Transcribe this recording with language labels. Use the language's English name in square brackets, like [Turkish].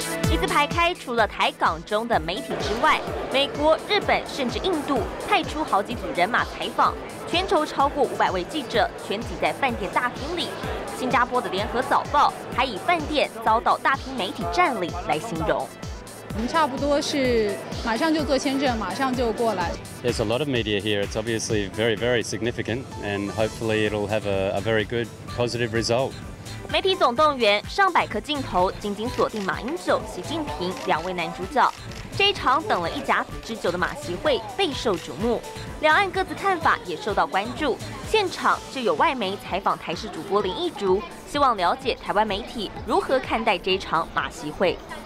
[Chinese] 一字排开，除了台港中的媒体之外，美国、日本甚至印度派出好几组人马采访，全球超过500位记者全挤在饭店大厅里。新加坡的联合早报还以饭店遭到大批媒体占领来形容。我们差不多是马上就做签证，马上就过来。 [English] There's a lot of media here. It's obviously very, very significant, and hopefully it'll have a very good, positive result. [Chinese] 媒体总动员，上百颗镜头紧紧锁定马英九、习近平两位男主角。这一场等了一甲子之久的马习会备受瞩目，两岸各自看法也受到关注。现场就有外媒采访台视主播林奕竹，希望了解台湾媒体如何看待这一场马习会。